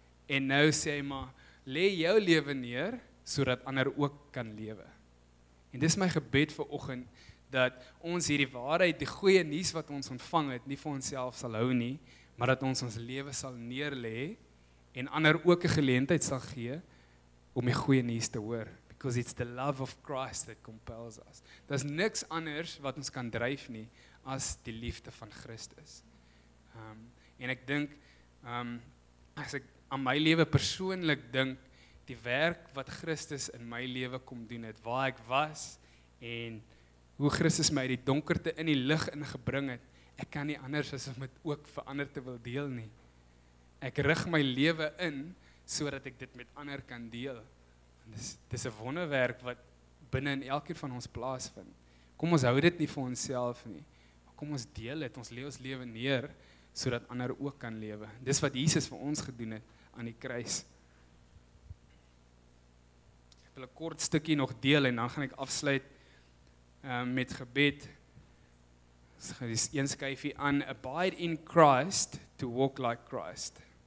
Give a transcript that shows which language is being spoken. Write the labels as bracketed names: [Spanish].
[Afrikaans] En nou sê hy maar, lê jou lewe neer, sodat ander ook kan lewe. En dis my gebed vir oggend, dat ons hierdie waarheid, die goeie nuus wat ons ontvang het, nie vir onsself sal hou nie, maar dat ons ons lewe sal neerlê en ander ook 'n geleentheid sal gee om die goeie nuus te hoor. [English] Because it's the love of Christ that compels us. [Afrikaans] Daar's niks anders wat ons kan dryf nie as die liefde van Christus. En ek dink, as ek aan my lewe persoonlik dink, die werk wat Christus in my lewe kom doen het, waar ek was en hoe Christus my uit die donkerte in die lig ingebring het, ek kan nie anders as om dit ook vir ander te wil deel nie. Ek rig my lewe in sodat ek dit met ander kan deel. Dis 'n wonderwerk wat binne in elkeen van ons plaasvind. Kom ons hou dit nie vir onsself nie. Kom ons deel dit. Ons lê ons lewe neer sodat ander ook kan lewe. Dis wat Jesus vir ons gedoen het aan die kruis. Ek wil 'n kort stukkie nog deel en dan gaan ek afsluit met gebed. Dis een skyfie aan, [English] abide in Christ to walk like Christ.